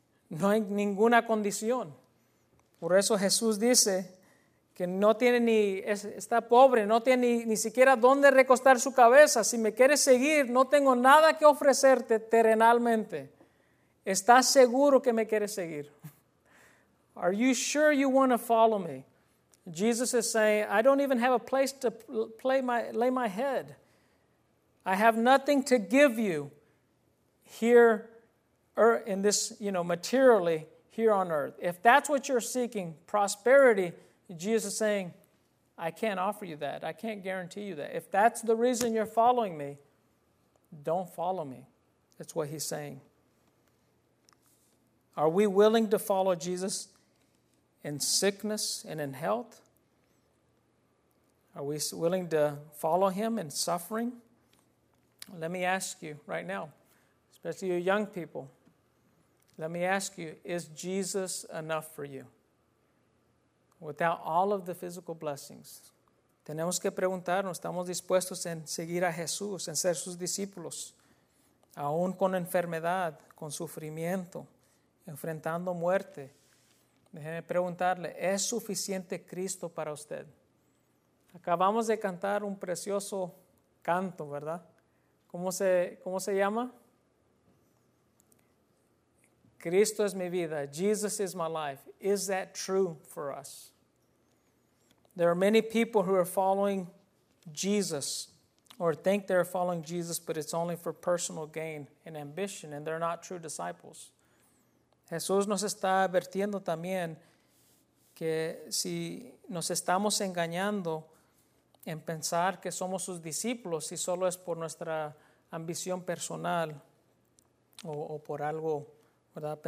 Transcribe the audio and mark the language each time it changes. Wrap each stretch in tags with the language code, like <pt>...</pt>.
<es>No hay ninguna condición. Por eso Jesús dice que no tiene ni, está pobre, no tiene ni siquiera dónde recostar su cabeza. Si me quieres seguir, no tengo nada que ofrecerte terrenalmente. ¿Estás seguro que me quieres seguir?</es> <en>Are you sure you want to follow me? Jesus is saying, I don't even have a place to lay my head. I have nothing to give you here in this, you know, materially. Here on earth. If that's what you're seeking, prosperity, Jesus is saying, I can't offer you that. I can't guarantee you that. If that's the reason you're following me, don't follow me. That's what he's saying. Are we willing to follow Jesus in sickness and in health? Are we willing to follow him in suffering? Let me ask you right now, especially you young people, let me ask you, is Jesus enough for you? Without all of the physical blessings.</en> <es>Tenemos que preguntarnos, ¿estamos dispuestos en seguir a Jesús, en ser sus discípulos? Aún con enfermedad, con sufrimiento, enfrentando muerte. Déjeme preguntarle, ¿es suficiente Cristo para usted? Acabamos de cantar un precioso canto, ¿verdad? ¿Cómo se llama? Cristo es mi vida.</es> <en>Jesus is my life. Is that true for us? There are many people who are following Jesus or think they're following Jesus, but it's only for personal gain and ambition, and they're not true disciples.</en> <es>Jesús nos está advirtiendo también que si nos estamos engañando en pensar que somos sus discípulos y solo es por nuestra ambición personal o por algo, ¿verdad?</es>